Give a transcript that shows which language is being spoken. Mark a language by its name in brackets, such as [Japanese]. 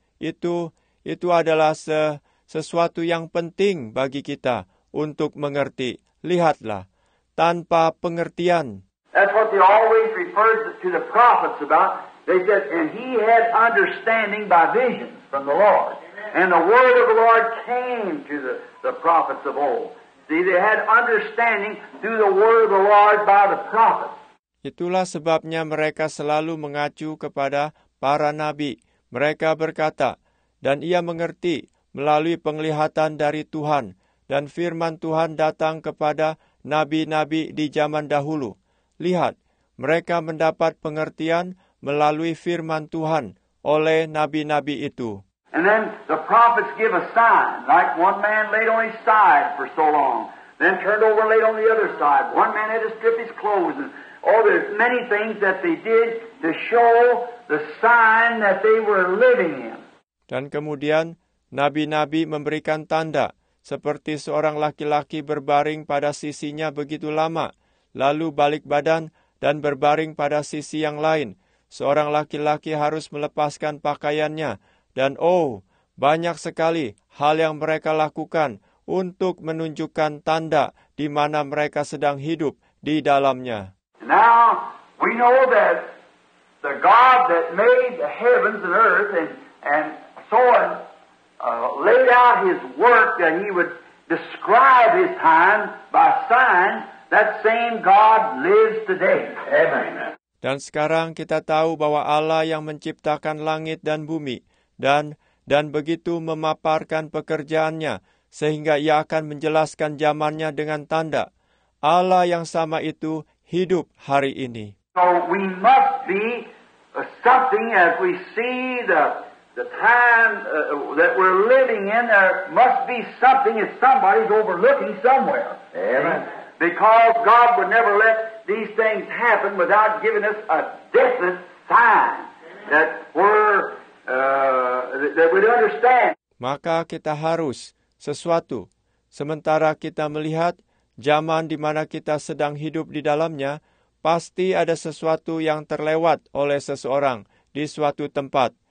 [Indonesian] Itu adalah sesuatu yang penting bagi kita untuk mengerti. Lihatlah, tanpa pengertian. [English] That's what they always referred to the prophets about. They said, "And he had understanding by vision from the Lord. And the word of the Lord came to the prophets of old." See, they had understanding through the word of the Lord by the prophets. [Indonesian] Itulah sebabnya mereka selalu mengacu kepada para nabi. Mereka berkata, "Dan ia mengerti melalui penglihatan dari Tuhan, dan firman Tuhan datang kepada nabi-nabi di zaman dahulu." Lihat, mereka mendapat pengertian melalui firman Tuhan oleh nabi-nabi itu. [English] And then the prophets give a sign, like one man laid on his side for so long, then turned over and laid on the other side. One man had to strip his clothes, and oh, there's many things that they did to show the sign that they were living in. [Indonesian] Dan kemudian nabi-nabi memberikan tanda, seperti seorang laki-laki berbaring pada sisinya begitu lama, lalu balik badan dan berbaring pada sisi yang lain. Seorang laki-laki harus melepaskan pakaiannya, dan oh, banyak sekali hal yang mereka lakukan untuk menunjukkan tanda di mana mereka sedang hidup di dalamnya. [English] Now we know that the God that made the heavens and earth and so on laid out his work that he would describe his time by signs, that same God lives today. Amen. [Indonesian] Dan sekarang kita tahu bahwa Allah yang menciptakan langit dan bumi dan begitu memaparkan pekerjaannya sehingga ia akan menjelaskan zamannya dengan tanda. Allah yang sama itu hidup hari ini. [English] So we must be something as we see the time that we're living in, there must be something that somebody's overlooking somewhere. Amen. Because God would never let these things happen without giving us a definite sign that we're that we'd understand. [Indonesian] Maka kita harus sesuatu. Sementara kita melihat zaman di mana kita sedang hidup di dalamnya, pasti ada sesuatu yang terlewat oleh seseorang di suatu tempat.